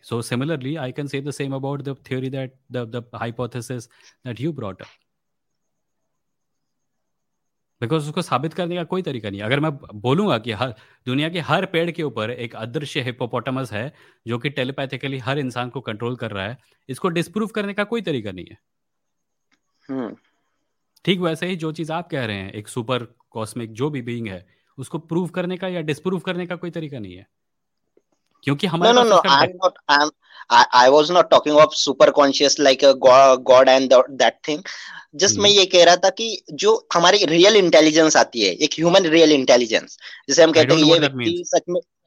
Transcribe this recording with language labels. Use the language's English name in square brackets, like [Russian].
[English] so similarly I can say the same about the theory that the hypothesis that you brought up, because [Hindi] उसको साबित करने का कोई तरीका नहीं। अगर मैं बोलूंगा कि हर दुनिया के हर पेड़ के ऊपर एक अदृश्य हिप्पोपोटामस है जो कि टेलीपैथिकली हर इंसान को कंट्रोल कर रहा है, इसको डिस्प्रूव करने का कोई तरीका नहीं है। ठीक वैसे ही जो चीज आप कह रहे हैं, एक सुपर कॉस्मिक जो भी बीइंग है, उसको प्रूव करने का या डिस्प्रूव करने का कोई तरीका नहीं है, क्योंकि हमारे पास [English] I was not talking of super conscious like a God and that thing. [Hindi] Just मैं ये कह रहा था कि जो हमारी [English] real intelligence [Hindi] आती है, एक [English] human real intelligence, [Hindi] जिसे हम कहते हैं ये व्यक्ति सच में।